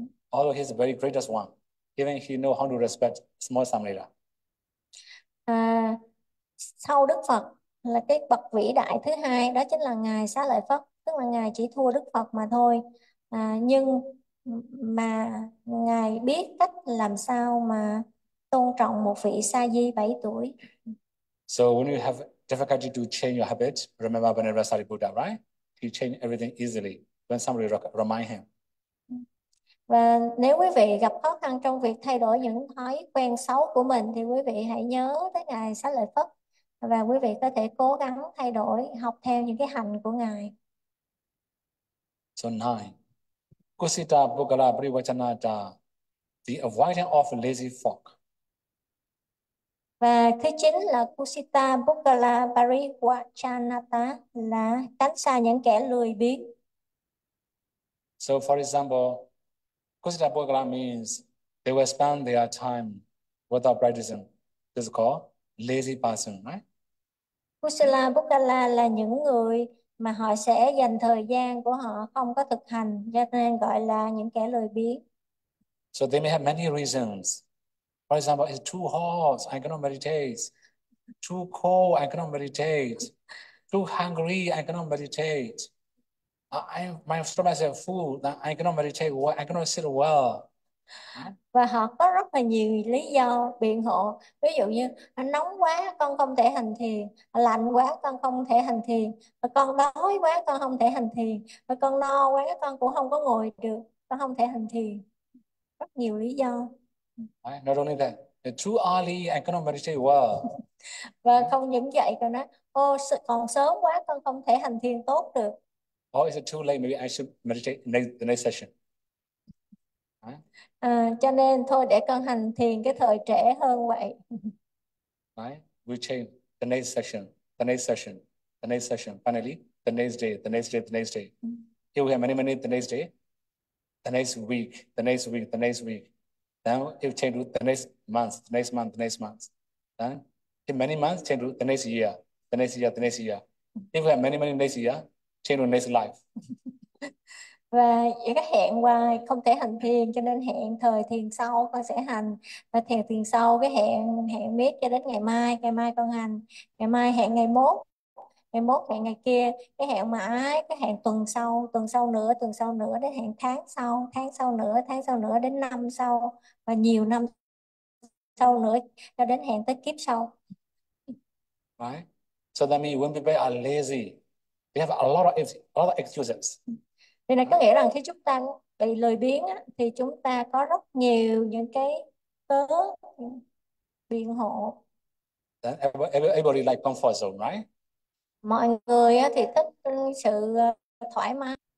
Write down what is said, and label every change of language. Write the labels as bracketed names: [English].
[English] Although he's the very greatest one, even he know how to respect small Samlela. [Vietnamese] Sau Đức Phật là cái bậc vĩ đại thứ hai, đó chính là Ngài Xá Lợi Phất. Tức là Ngài chỉ thua Đức Phật mà thôi. Nhưng mà Ngài biết cách làm sao mà tôn trọng một vị sa di 7 tuổi. [English] So when you have difficulty to change your habit, remember Venerable Sariputta, right? He changed everything easily when somebody remind him. [Vietnamese] Và nếu quý vị gặp khó khăn trong việc thay đổi những thói quen xấu của mình thì quý vị hãy nhớ tới Ngài Xá Lợi Phất và quý vị có thể cố gắng thay đổi, học theo những cái hành của Ngài. [English] So nine. Kusita Bhogala Brivachanata, the avoiding of lazy folk. [Vietnamese] Và thứ chín là Kusita Bukala Pariwachanata là tránh xa những kẻ lười biếng. [English] So for example, Kusita Bhogala means they will spend their time without practicing. This is called lazy person, right? [Vietnamese] Kusila Bukala là những người mà họ sẽ dành thời gian của họ không có thực hành, cho nên gọi là những kẻ lười biếng. [English] So they may have many reasons. For example, it's too hot, I cannot meditate. Too cold, I cannot meditate. Too hungry, I cannot meditate. I my stomach is full that I cannot meditate well, I cannot sit well. [Vietnamese] Và họ có rất là nhiều lý do biện hộ, ví dụ như nóng quá con không thể hành thiền, lạnh quá con không thể hành thiền, con đói quá con không thể hành thiền, con no quá con cũng không có ngồi được, con không thể hành thiền, rất nhiều lý do. [English] Right? Not only that, it's too early, I cannot meditate well. [Vietnamese] Và không những vậy còn nói ô còn sớm quá con không thể hành thiền tốt được. [English] Or is it too late? Maybe I should meditate the next session. Right? [Vietnamese] Cho nên thôi để con hành thiền cái thời trễ hơn vậy. [English] Right? We change the next session, the next session, the next session. Finally, the next day, the next day, the next day. Here we have many, many the next day, the next week, the next week, the next week. Then it change to the next month, the next month, the next month. Then in many months, change to the next year, the next year, the next year. If we have many, many next year, change next life. [Vietnamese] Và những cái hẹn hoài không thể hành thiền, cho nên hẹn thời thiền sau con sẽ hành, và thiền thiền sau cái hẹn hẹn miết cho đến ngày mai con hành, ngày mai hẹn ngày mốt hẹn ngày kia, cái hẹn mãi, cái hẹn tuần sau nữa, tuần sau nữa, đến hẹn tháng sau nữa đến năm sau và nhiều năm sau nữa cho đến hẹn tới kiếp sau. [English] Right? So that means when people are lazy, they have a lot of excuses. [Vietnamese] Thì này có nghĩa rằng khi chúng ta bị lười biếng á, thì chúng ta có rất nhiều những cái cớ biện hộ. [English] Everybody like comfort zone, right? [Vietnamese] Mọi người á, thì thích sự thoải mái.